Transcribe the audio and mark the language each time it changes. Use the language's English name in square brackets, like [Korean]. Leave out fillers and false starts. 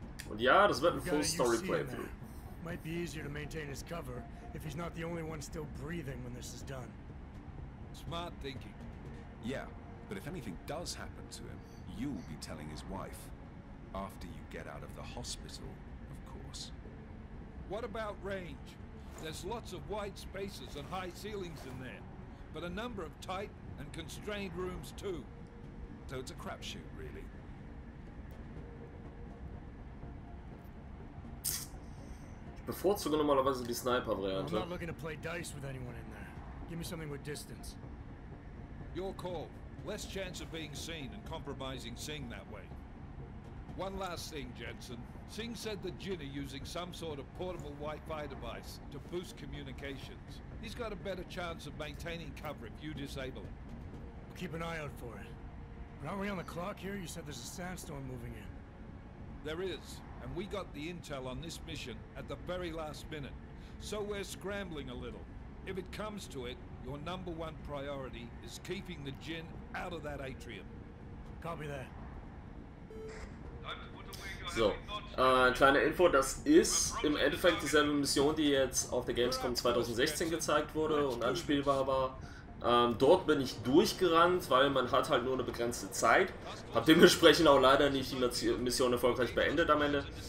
[German] Und ja, das wird ein [English] full story playthrough. Might be easier to maintain his cover if he's not the only one still breathing when this is done. Smart thinking. Yeah, but if anything does happen to him, you'll be telling his wife. After you get out of the hospital, of course. What about range? There's lots of wide spaces and high ceilings in there, but a number of tight and constrained rooms too. So it's a crapshoot, really. [German] Ich bevorzuge normalerweise die Sniper-Variante. [English] I'm not looking to play dice with anyone in there. Give me something with distance. Your call. Less chance of being seen and compromising Singh that way. One last thing, Jensen. Singh said the Jinn are using some sort of portable Wi-Fi device to boost communications. He's got a better chance of maintaining cover if you disable it. We'll keep an eye out for it. But aren't we on the clock here? You said there's a sandstorm moving in. There is, and we got the intel on this mission at the very last minute. So we're scrambling a little. If it comes to it, your number one priority is keeping the Jinn out of that atrium. Copy that. [German] So, kleine Info, das ist im Endeffekt dieselbe Mission, die jetzt auf der Gamescom 2016 gezeigt wurde und anspielbar war. Dort bin ich durchgerannt, weil man hat halt nur eine begrenzte Zeit. Hab dementsprechend auch leider nicht die Mission erfolgreich beendet am Ende.